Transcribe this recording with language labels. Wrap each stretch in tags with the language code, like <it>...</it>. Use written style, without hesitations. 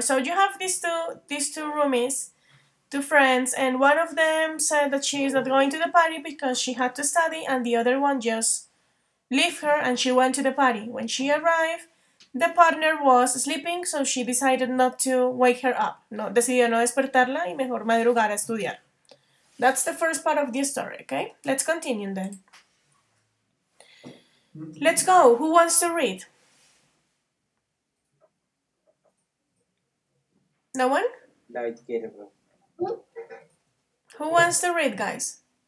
<en>So you have these two roomies, two friends, and one of them said that she is not going to the party because she had to study, and the other one just left her and she went to the party. When she arrived, the partner was sleeping, so she decided not to wake her up.</en> <es>No, decidió no despertarla y mejor madrugar a estudiar.</es> <en>That's the first part of the story, okay? Let's continue then. Let's go. Who wants to read? No one? No, it's terrible. Who wants to read, guys?</en>